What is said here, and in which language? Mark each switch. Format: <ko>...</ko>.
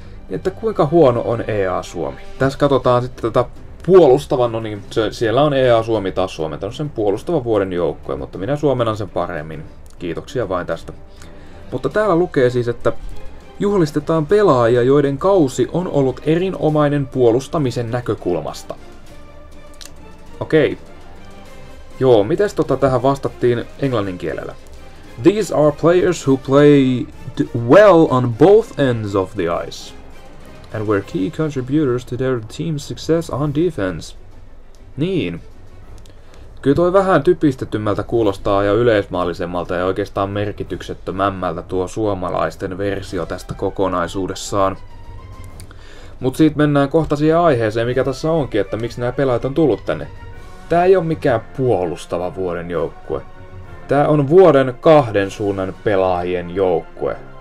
<fi>Että kuinka huono on EA Suomi? Tässä katsotaan sitten tätä puolustavan, no niin, siellä on EA Suomi taas suomentanut sen puolustavan vuoden joukkoja, mutta minä suomennan sen paremmin. Kiitoksia vain tästä. Mutta täällä lukee siis, että juhlistetaan pelaajia, joiden kausi on ollut erinomainen puolustamisen näkökulmasta. Okei. Joo, mites tähän vastattiin englannin kielellä?</fi> <en>These are players who play well on both ends of the ice. And were key contributors to their team's success on defense.</en> <fi>Niin. Kyllä toi vähän typistetymmältä kuulostaa ja yleismaallisemmalta ja oikeastaan merkityksettömämmältä tuo suomalaisten versio tästä kokonaisuudessaan. Mut sit mennään kohta siihen aiheeseen, mikä tässä onkin, että miksi nämä pelaajat on tullut tänne. Tää ei oo mikään puolustava vuoden joukkue. Tää on vuoden kahden suunnan pelaajien joukkue.</fi>